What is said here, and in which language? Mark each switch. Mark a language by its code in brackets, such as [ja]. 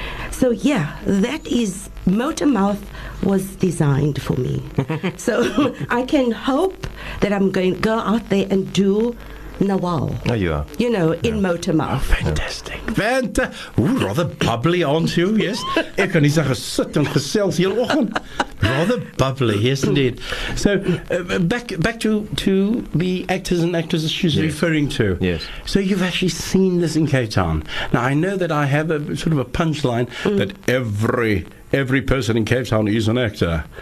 [en] So yeah, that is Motor Mouth was designed for me. So I can hope that I'm going to go out there and do Nawal. Oh, you are. You know, in Motor Mouth. Oh, fantastic. Rather bubbly, aren't you? Yes. [af] Ek kan nie sê gesit en gesels heel oggend. [en] Rather bubbly, yes indeed. So, back to the actors and actresses she's referring to. Yes. So you've actually seen this in Cape Town. Now, I know that I have a sort of a punchline that every person in Cape Town is an actor.